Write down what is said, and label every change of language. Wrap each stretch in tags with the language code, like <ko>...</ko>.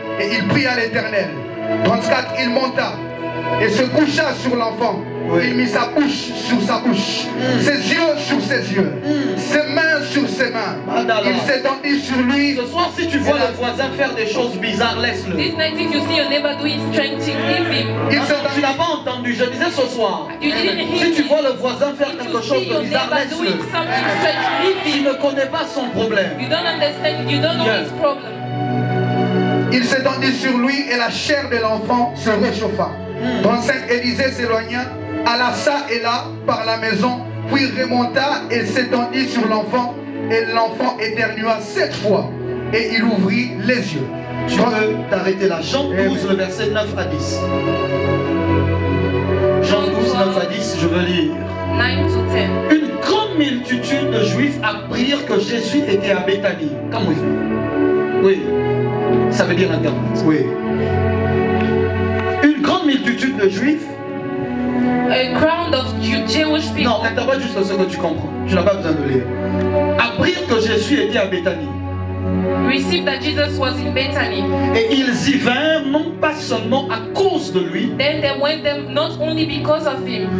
<fr>Et il pria l'Éternel. 34, il monta et se coucha sur l'enfant. Oui. Il mit sa bouche sur sa bouche, ses yeux sur ses yeux, ses mains sur ses mains. Madala. Il s'étendit sur lui. Ce soir, si tu vois le voisin faire des choses bizarres, laisse-le.</fr> <en>This night, if you see your neighbor doing strange things, leave him.</en> <fr>Il s'étendit. Tu n'as pas entendu, je disais ce soir. Si tu vois le voisin faire quelque chose de bizarre, laisse-le.</fr> <en>Strange,</en> <fr>il ne connaît pas son problème.</fr> <en>You don't understand. You don't know his problem.</en> <fr>Il s'étendit sur lui et la chair de l'enfant se réchauffa. Donc Saint Élisée s'éloigna, alla ça et là par la maison, puis remonta et s'étendit sur l'enfant. Et l'enfant éternua 7 fois et il ouvrit les yeux. Tu peux t'arrêter là. Jean 12, le verset 9 à 10. Jean 12, 9 à 10, je veux lire.</fr> <en>9 to 10.</en> <fr>Une grande multitude de juifs apprirent que Jésus était à Béthanie. Comme vous dites. Oui. Ça veut dire internet. Oui. Une grande multitude de juifs.</fr> <en>A crowd of Jewish people.</en> <fr>Non, interprète juste ce que tu comprends. Tu n'as pas besoin de lire. Apprirent que Jésus était à Béthanie.</fr> <en>Received that Jesus was in Bethany.</en> <fr>Et ils y vinrent non pas seulement à cause de lui.</fr> <en>Then they went them not only because of him.</en>